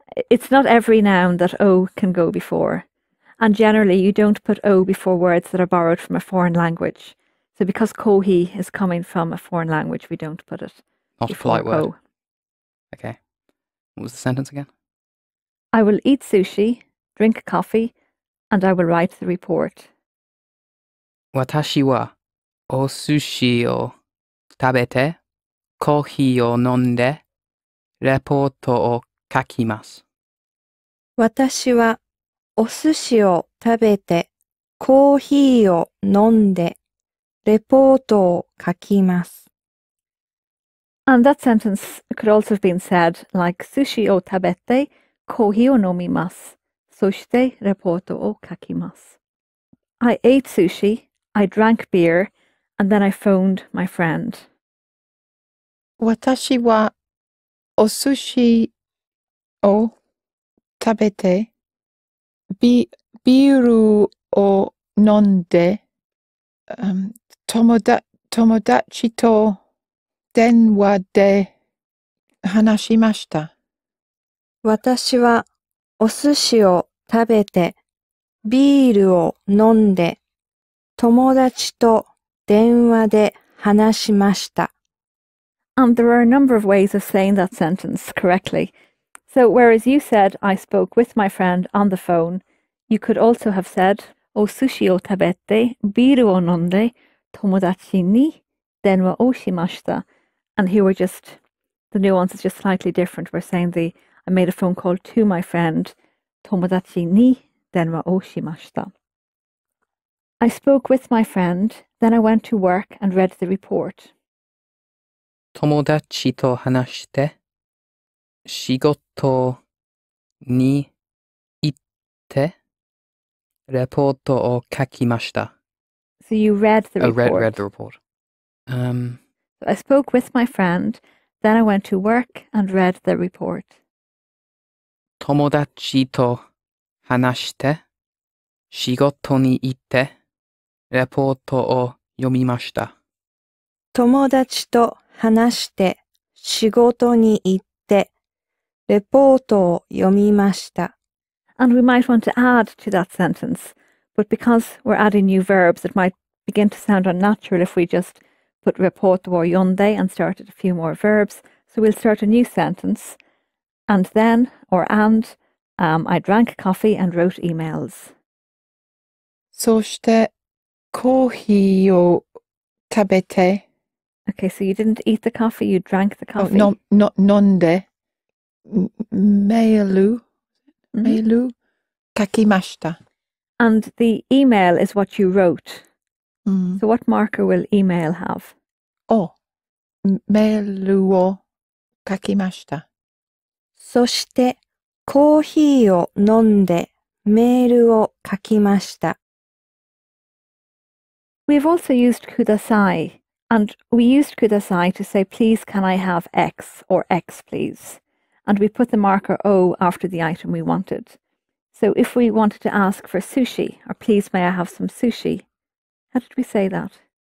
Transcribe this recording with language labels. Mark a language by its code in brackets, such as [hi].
[en] It's not every noun that o can go before. And generally, you don't put o before words that are borrowed from a foreign language. So because kohi is coming from a foreign language, we don't put it. Not a polite word. Okay. What was the sentence again? I will eat sushi, drink coffee, and I will write the report. [ja] 私はお寿司を食べて、コーヒーを飲んで、レポートを書きます。私はお寿司を食べて、コーヒーを飲んで、レポートを書きます。 [en] And that sentence could also have been said like [ja] sushi を食べて、コーヒーを飲みます。そしてレポートを書きます。 [en] I ate sushi, I drank beer, and then I phoned my friend. [ja] 私はお寿司を食べて、ビールを飲んで、友達と電話で話しました。私はお寿司を食べて、ビールを飲んで、友達と電話で話しました。 [en] And there are a number of ways of saying that sentence correctly. So whereas you said, I spoke with my friend on the phone, you could also have said, [ja] お寿司を食べて、ビールを飲んで、友達に電話をしました。 [en] And here we're just, the nuance is just slightly different. We're saying the, I made a phone call to my friend, [ja] 友達に電話をしました。 [en] I spoke with my friend, then I went to work and read the report. [ja] 友達と話して、仕事に行って、レポートを書きました。 [en] So you read the report. I read the report. I spoke with my friend, then I went to work and read the report. [ja] 友達と話して、仕事に行って、レポートを読みました。友達と話して、仕事に行って、レポートを読みました。 [en] And we might want to add to that sentence, but because we're adding new verbs, it might begin to sound unnatural if we just put reporto or yonde and started a few more verbs. So we'll start a new sentence. And then, or and, I drank coffee and wrote emails. [ja] そしてコーヒーを食べて。 [en] Okay, so you didn't eat the coffee, you drank the coffee. [ja] Oh, no, メール書きました。 [en] And the email is what you wrote. So what marker will email have? [ja] Oh, メールを書きました。そしてコーヒーを飲んでメールを書きました。 [en] We've also used kudasai, and we used kudasai to say please can I have X or X please, and we put the marker O after the item we wanted. So if we wanted to ask for sushi or please may I have some sushi, how did we say that?